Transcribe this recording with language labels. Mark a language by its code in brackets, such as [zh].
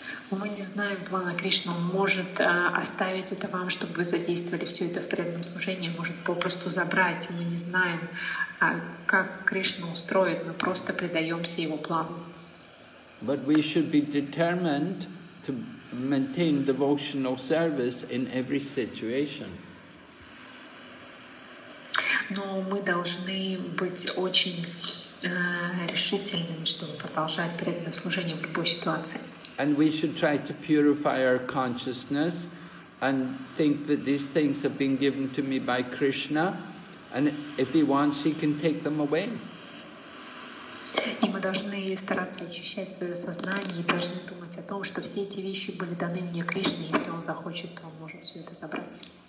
[ru] Мы не знаем плана Кришны. Он может оставить это вам, чтобы вы задействовали все это в преданном служении. Может попросту забрать. Мы не знаем, как Кришна устроит. Мы просто предаемся его плану. [en] But we should be determined to maintain devotional service in every situation. [ru] Но мы должны быть очень решительными, чтобы продолжать преданное служение в любой ситуации. [en] And we should try to purify our consciousness and think that these things have been given to me by Krishna, and if he wants, he can take them away. [ru] И мы должны стараться очищать свое сознание и должны думать о том, что все эти вещи были даны мне Кришне, если он захочет, то он может все это забрать.